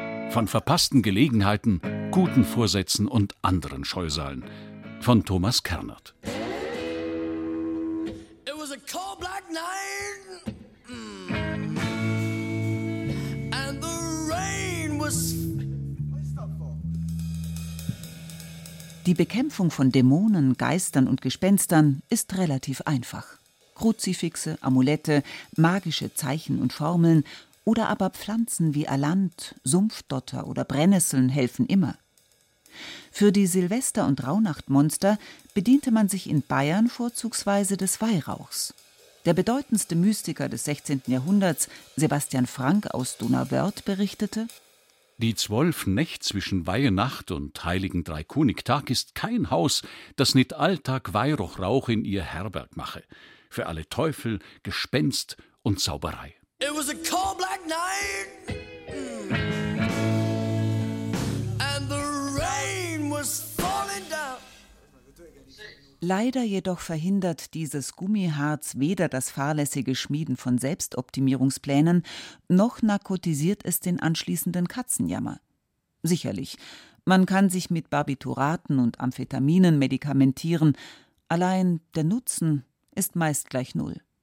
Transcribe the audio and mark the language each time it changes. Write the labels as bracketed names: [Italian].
[German] Von verpassten Gelegenheiten, guten Vorsätzen und anderen Scheusalen. Von Thomas Kernert. [English] It was a cold black night. And the rain was. [German] Die Bekämpfung von Dämonen, Geistern und Gespenstern ist relativ einfach. Kruzifixe, Amulette, magische Zeichen und Formeln oder aber Pflanzen wie Alant, Sumpfdotter oder Brennnesseln helfen immer. Für die Silvester- und Rauhnachtmonster bediente man sich in Bayern vorzugsweise des Weihrauchs. Der bedeutendste Mystiker des 16. Jahrhunderts, Sebastian Frank aus Donauwörth, berichtete: Die 12 Nächte zwischen Weihnacht und Heiligen Dreikönigtag ist kein Haus, das nicht alltag Weihrauchrauch in ihr Herberg mache. Für alle Teufel, Gespenst und Zauberei. [English] It was a cold black night. And the rain was falling down. [German] Leider jedoch verhindert dieses Gummiharz weder das fahrlässige Schmieden von Selbstoptimierungsplänen, noch narkotisiert es den anschließenden Katzenjammer. Sicherlich, man kann sich mit Barbituraten und Amphetaminen medikamentieren, allein der Nutzen ist meist gleich null.